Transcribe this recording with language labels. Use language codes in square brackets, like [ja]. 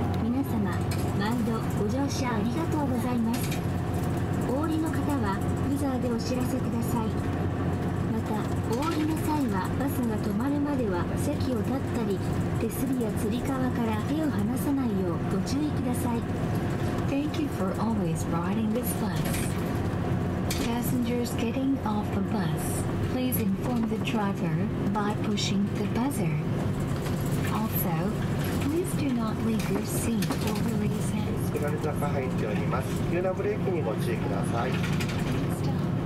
[ja] 皆様毎度ご乗車ありがとうございます。お降りの方はブザーでお知らせください。またお降りの際はバスが止まるまでは席を立ったり手すりやつり革から手を離さないようご注意ください。 [en] Thank you for always riding this bus. Passengers getting off the bus, please inform the driver by pushing the buzzer. Also, please do not leave your seat or release it. [ja] 下り坂入っております。急なブレーキにご注意ください。